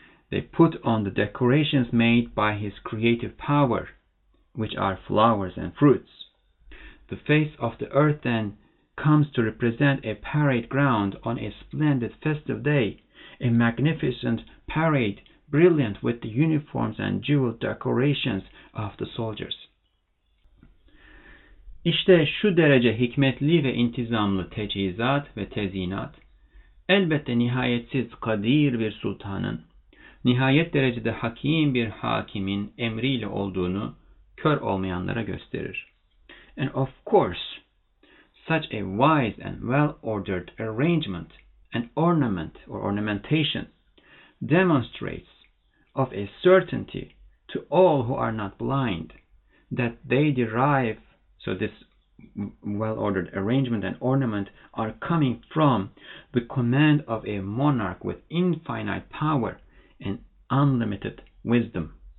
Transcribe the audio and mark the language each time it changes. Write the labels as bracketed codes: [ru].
[en] They put on the decorations made by his creative power, which are flowers and fruits. The face of the earth then comes to represent a parade ground on a splendid festive day, a magnificent parade, brilliant with the uniforms and jeweled decorations of the soldiers. [tr] İşte şu derece hikmetli ve intizamlı teçhizat ve tezinat, elbette nihayetsiz kadir bir sultanın, nihayet derecede hakim bir hakimin emriyle olduğunu kör olmayanlara gösterir. [en] And of course, such a wise and well-ordered arrangement and ornament or ornamentation demonstrates of a certainty to all who are not blind that they derive, so this well-ordered arrangement and ornament are coming from the command of a monarch with infinite power and unlimited wisdom.